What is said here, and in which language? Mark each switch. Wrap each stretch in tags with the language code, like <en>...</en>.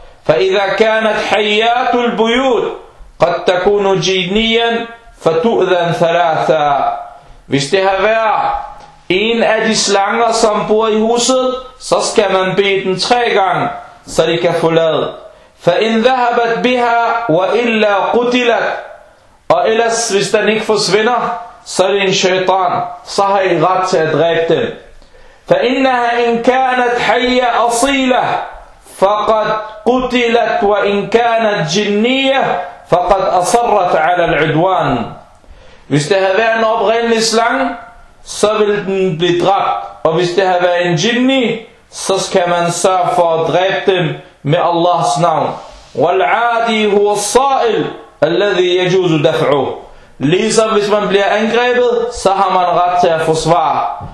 <ar>فَإِذَا كَانَتْ حَيَّاتُ الْبُيُوتِ قد تكون جينيا فتؤذن ثلاثا</ar> <da>Hvis det har været en af de slanger, som bor i huset, så skal man bede den 3 gange, så de kan forlade.</da> <ar>فإن ذهبت بها وإلا قتلت</ar> <da>Og ellers, hvis den ikke forsvinder, så er det en shaitan, så har I ret til at dræbe dem.</da> <ar>فإنها إن كانت حية أصيلة فقد قتلت وإن كانت جنية فقد أصرت على العدوان.</ar> <da>Hvis det havde været en oprindelig slang, så ville den blive dræbt. Og hvis det havde været en jinni, så skal man sørge for at dræbe dem med Allahs navn.</da> <ar>والعادي هو الصائل الذي يجوز دفعه.</ar> <da>Ligesom hvis man bliver angrebet, så har man ret til at forsvare.</da>